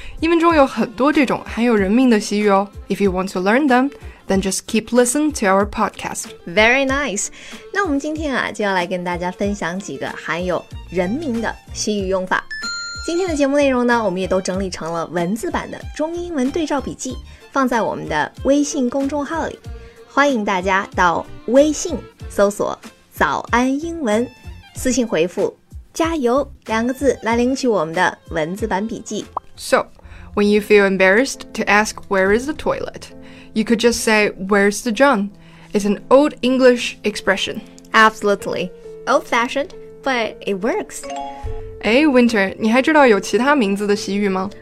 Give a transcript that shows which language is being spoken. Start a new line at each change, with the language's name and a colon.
Chinese: 英文中有很多这种含有人名的习语哦。
English: If you want to learn them, then just keep listening to our podcast. Very nice.
Chinese: 那我们今天啊就要来跟大家分享几个含有人名的习语用法。今天的节目内容呢我们也都整理成了文字版的中英文对照笔记放在我们的微信公众号里欢迎大家到微信搜索早安英文私信回复加油两个字来领取我们的文字版笔记
English: So, when you feel embarrassed to ask where is the toilet you could just say where's the John It's an old English expression Absolutely, old-fashioned, but it works
Chinese: 哎 ,Winter, 你还知道有其他名字的习语吗